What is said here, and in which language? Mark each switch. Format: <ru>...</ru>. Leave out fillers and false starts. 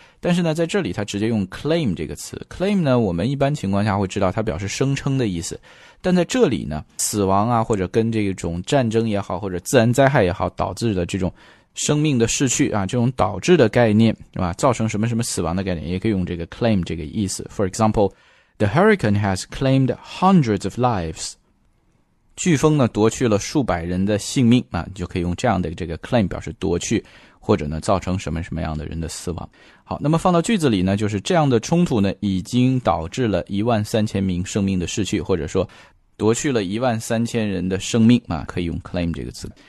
<zh>但是呢在这里他直接用 claim 这个词， claim 呢我们一般情况下会知道它表示声称的意思，但在这里呢死亡啊或者跟这种战争也好或者自然灾害也好导致的这种生命的逝去啊，这种导致的概念是吧，造成什么什么死亡的概念也可以用这个 claim 这个意思。</zh> <en>For example, the hurricane has claimed hundreds of lives.</en> <zh>飓风呢夺去了数百人的性命啊，你就可以用这样的这个 claim 表示夺去或者呢造成什么什么样的人的死亡。好，那么放到句子里呢就是这样的冲突呢已经导致了13,000名生命的逝去，或者说夺去了13,000人的生命啊，可以用 claim 这个词。</zh>